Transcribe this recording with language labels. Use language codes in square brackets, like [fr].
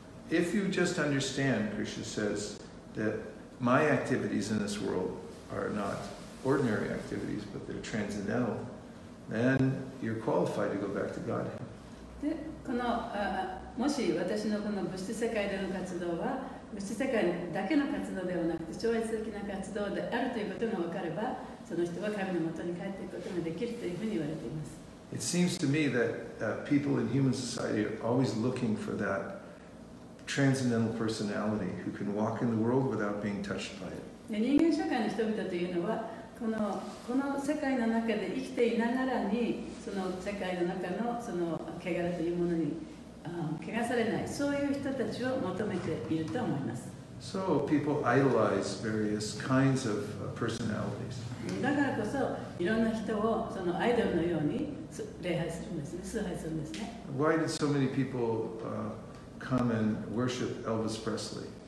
[en] If you just understand, Krishna says, that my activities in this world are not ordinary activities, but they're transcendental, then you're qualified to go back to Godhead. [ja] で、この、もし私のこの物質世界での活動は、物質世界だけの活動ではなくて、超越的な活動であるということが分かれば、その人は神のもとに帰っていくことができるというふうに言われています。 [en] It seems to me that people in human society are always looking for that transcendental personality who can walk in the world without being touched by it. [ja] 人間社会の人々というのは、この世界の中で生きていながらに、その世界の中のその汚れというものに、汚されない、そういう人たちを求めていると思います。 [en] So people idolize various kinds of personalities. [ja] だからこそ、いろんな人をそのアイドルのように礼拝するんですね、崇拝するんですね。 [en] Why did so many people come and worship Elvis Presley?